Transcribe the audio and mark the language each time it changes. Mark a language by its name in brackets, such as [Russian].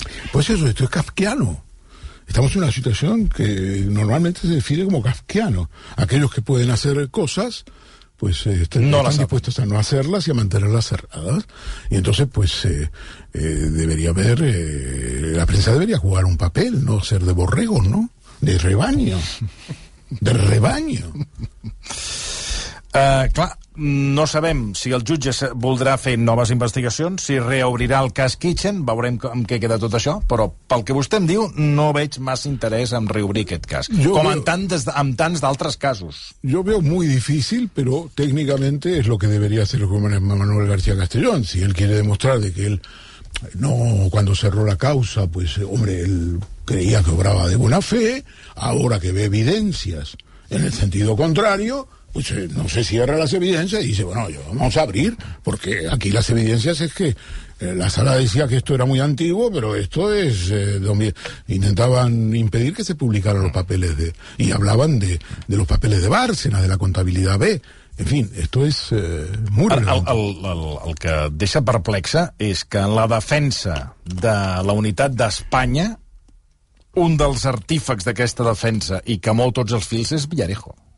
[Spanish] Pues eso, esto es kafkiano. Estamos en una situación que normalmente se define como kafkiano. Aquellos que pueden hacer cosas, pues están dispuestos a no hacerlas y a mantenerlas cerradas. Y entonces, pues, debería haber, la prensa debería jugar un papel, no ser de borrego, ¿no? De rebaño. De rebaño. [Catalan] Clar, no sabem si el jutge voldrà fer noves investigacions, si reobrirà el cas Kitchen, veurem com que queda tot això, però pel que vostè em diu, no veig massa interès en reobrir aquest cas, [Spanish] yo com veo, [Catalan] en tants d'altres casos. [Spanish] Jo veo muy difícil, [Catalan] però tècnicament és [Spanish] lo que debería hacer el juez Manuel García Castellón, si él quiere demostrar de que él no, cuando cerró la causa, pues hombre, él creía que obraba de buena fe, ahora que ve evidencias en el sentido contrario, pues no se cierra las evidencias y dice, bueno, yo vamos a abrir, porque aquí las evidencias es que la sala decía que esto era muy antiguo, pero esto es donde intentaban impedir que se publicaran los papeles de, y hablaban de los papeles de Bárcena, de la contabilidad B. [Catalan] En fi, [Spanish] esto es muy relevante. [Catalan] El que deixa perplexa és que en la defensa de la unitat d'Espanya, un dels artífecs d'aquesta defensa i que mou tots els fils és Villarejo.